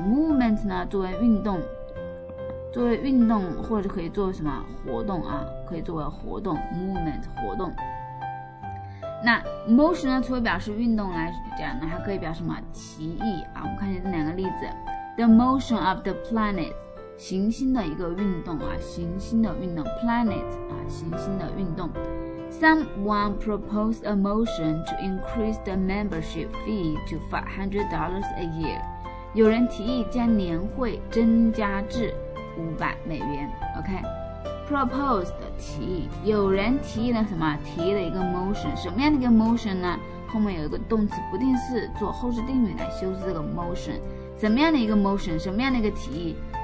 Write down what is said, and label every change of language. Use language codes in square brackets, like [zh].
[zh] movement 呢，作为运动，作为运动，或者可以做什么活动啊，可以作为活动， movement 活动。那 motion 呢，除了表示运动来讲呢，还可以表示什么？提议啊。我们看一下这两个例子。 [en] the motion of the planet， [zh] 行星的一个运动啊，行星的运动 ，planet 啊，行星的运动。 [en] Someone proposed a motion to increase the membership fee to $500 a year。 [zh] 有人提议将年会增加至$500。 OK，proposed 提议，有人提议了什么？提议了一个 motion， 什么样的一个 motion 呢？后面有一个动词不定式做后置定语来修饰这个 motion， 什么样的一个 motion， 什么样的一个提议？